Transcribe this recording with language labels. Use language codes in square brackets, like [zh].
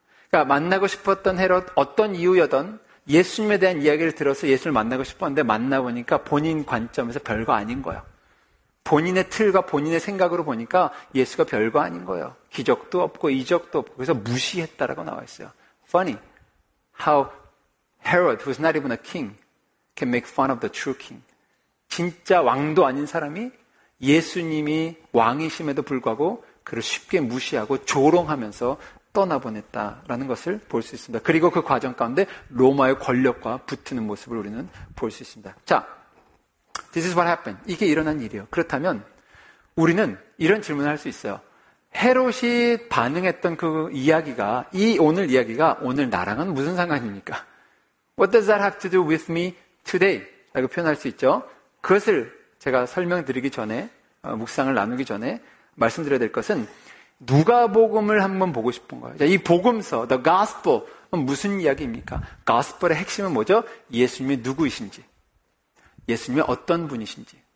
[ko] 그러니까 만나고 싶었던 헤롯, 어떤 이유여든 예수님에 대한 이야기를 들어서 예수를 만나고 싶었는데 만나보니까 본인 관점에서 별거 아닌 거예요. 본인의 틀과 본인의 생각으로 보니까 예수가 별거 아닌 거예요. 기적도 없고 이적도 없고 그래서 무시했다라고 나와있어요. [en] Funny how Herod, who's not even a king, can make fun of the true king. [ko] 진짜 왕도 아닌 사람이 예수님이 왕이심에도 불구하고 그를 쉽게 무시하고 조롱하면서 떠나보냈다라는 것을 볼 수 있습니다. 그리고 그 과정 가운데 로마의 권력과 붙는 모습을 우리는 볼 수 있습니다. 자, [en] this is what happened. [ko] 이게 일어난 일이에요. 그렇다면 우리는 이런 질문을 할 수 있어요. 헤롯이 반응했던 그 이야기가, 이 오늘 이야기가 오늘 나랑은 무슨 상관입니까? [en] What does that have to do with me today? [ko] 라고 표현할 수 있죠. 그것을 제가 설명드리기 전에, 묵상을 나누기 전에 말씀드려야 될 것은 누가복음을 한번 보고 싶은 거예요. 이 복음서, the gospel은 무슨 이야기입니까? gospel의 핵심은 뭐죠? 예수님이 누구이신지, 예수님이 어떤 분이신지.